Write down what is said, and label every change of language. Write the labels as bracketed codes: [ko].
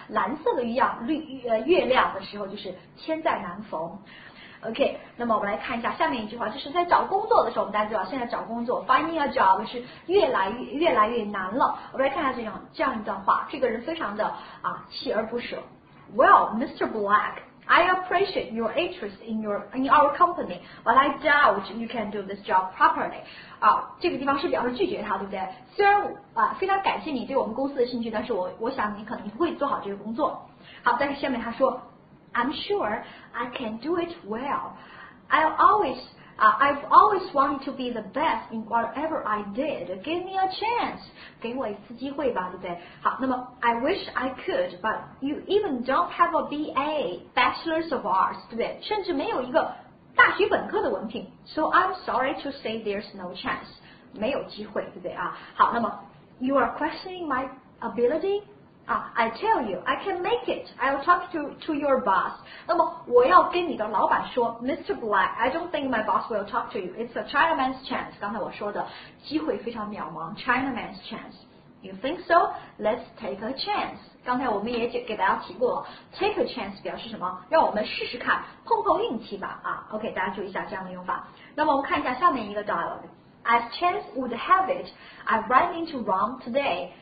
[zh] 蓝色的月亮的时候就是千载难逢。 OK， 那么我们来看一下下面一句话，就是在找工作的时候，我们大家知道现在找工作 [en] finding a job [zh] 是越来越难了。我们来看一下这样一段话，这个人非常的啊锲而不舍。 [en] Well, Mr. Black, I appreciate your interest in our company, but I doubt you can do this job properly. [zh] 啊，这个地方是表示拒绝他，对不对？虽然啊非常感谢你对我们公司的兴趣，但是我想你可能不会做好这个工作。好，但是下面他说。 [en] I'm sure I can do it well. I've always wanted to be the best in whatever I did. Give me a chance. [zh] 给我一次机会吧，对不对？好，那么 [en] I wish I could, but you even don't have a BA, Bachelor's of Arts, [zh] 对不对？甚至没有一个大学本科的文凭。 [en] So I'm sorry to say there's no chance. [zh] 没有机会，对不对啊？好，那么 [en] you are questioning my ability? I tell you, I can make it. I'll talk to your boss. [zh] 那么我要跟你的老板说 ，Mr. [en] Black, I don't think my boss will talk to you. It's a Chinaman's chance. [zh] 刚才我说的机会非常渺茫 [en] ，Chinaman's chance. You think so? Let's take a chance. [zh] 刚才我们也给大家提过 ， [en] take a chance [zh] 表示什么？让我们试试看，碰碰运气吧。啊 ，OK， 大家注意一下这样的用法。那么我们看一下下面一个 dialogue. [en] As chance would have it, I ran into Ron today.